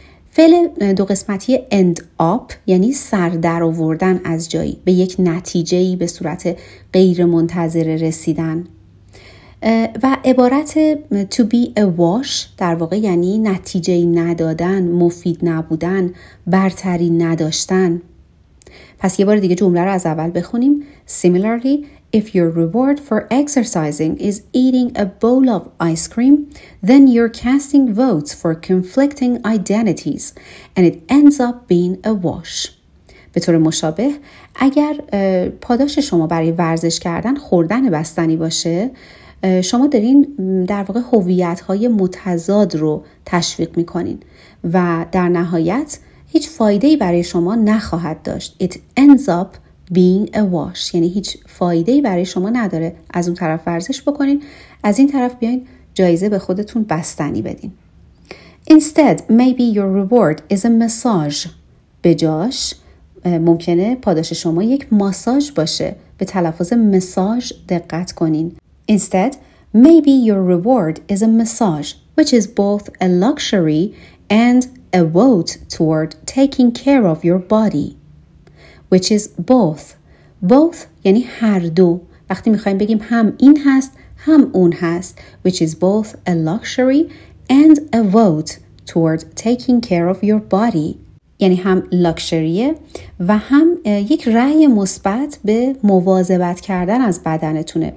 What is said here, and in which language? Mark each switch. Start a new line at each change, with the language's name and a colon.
Persian: فعل دو قسمتی end up یعنی سر در آوردن از جایی, به یک نتیجه‌ای به صورت غیر منتظره رسیدن. و عبارت
English: to be a wash
Persian: در واقع یعنی نتیجه‌ای ندادن, مفید نبودن, برتری نداشتن. پس یه بار دیگه جمله رو از اول بخونیم.
English: Similarly, if your reward for exercising is eating a bowl of ice cream, then you're casting votes for conflicting identities and it ends up being a wash.
Persian: به طور مشابه, اگر پاداش شما برای ورزش کردن خوردن بستنی باشه, شما دارین در واقع هویت‌های متضاد رو تشویق می‌کنین و در نهایت هیچ فایده‌ای برای شما نخواهد داشت.
English: It ends up being a wash.
Persian: یعنی هیچ فایده‌ای برای شما نداره از اون طرف ورزش بکنین. از این طرف بیاین جایزه به خودتون بستنی بدین.
English: Instead, maybe your reward is a massage.
Persian: به جاش ممکنه پاداش شما یک ماساژ باشه. به تلفظ مساژ دقت کنین.
English: Instead, maybe your reward is a massage, which is both a luxury and a vote toward taking care of your body, which is both.
Persian: Both یعنی هر دو. وقتی میخواییم بگیم هم این هست هم اون هست.
English: Which is both a luxury and a vote toward taking care of your body.
Persian: یعنی هم لکشریه و هم یک رأی مثبت به مواظبت کردن از بدنتونه.